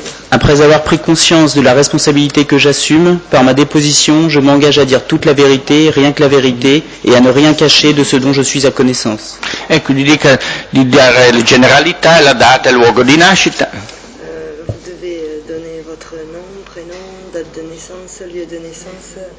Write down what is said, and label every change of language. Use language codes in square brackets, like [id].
[fr] Après avoir pris conscience de la responsabilité que j'assume, par ma déposition, je m'engage à dire toute la vérité, rien que la vérité, et à ne rien cacher de ce dont je suis à connaissance. [it] Ecco, gli dica di dare la generalità, la data, il luogo di nascita. [fr] Vous devez donner votre nom, prénom, date de naissance, lieu de naissance.